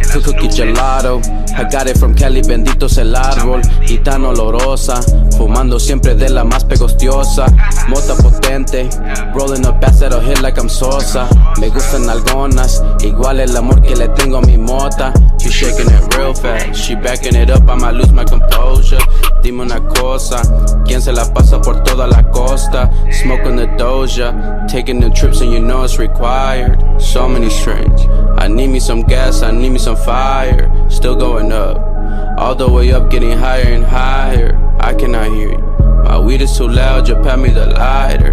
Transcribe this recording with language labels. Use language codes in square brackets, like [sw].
[en] Cookie gelato, I got it from Cali, [es] bendito es el árbol. Y tan olorosa, fumando siempre de la más pegostiosa. Mota potente, [en] rolling up acid of hit like I'm Sosa. [es] Me gustan algunas, igual el amor que le tengo a mi mota. [en] She's shaking it real fast, she backing it up, I'ma lose my composure. [es] Dime una cosa, ¿quién se la pasa por toda la costa? [en] Smoking the doja, taking the trips and you know it's required. So many strings, I need me some gas, I need me some fire. Still going up, all the way up, getting higher and higher. I cannot hear you, my weed is too loud, you pass me the lighter.